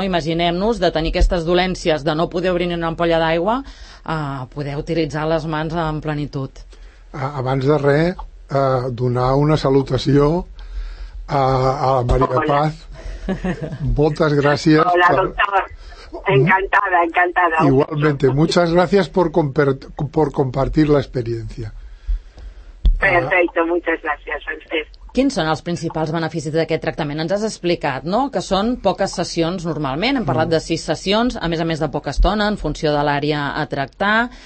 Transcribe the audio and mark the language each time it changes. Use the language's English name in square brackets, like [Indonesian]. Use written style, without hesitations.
[Catalan] Imaginem-nos de tenir aquestes dolències, de no poder obrir una ampolla d'aigua, poder utilitzar les mans en plenitud. Abans de res, donar una salutació a la Maria Paz. Moltes gràcies. Hola, doctor. Encantada, encantada. [Spanish] Igualmente, muchas gracias por compartir la experiencia. Perfecto, muchas gracias a usted. [Catalan] Quins són els principals beneficis d'aquest tractament? Ens has explicat, no?, que són poques sessions normalment, hem parlat de 6 sessions, a més de poca estona, en funció de l'àrea a tractar.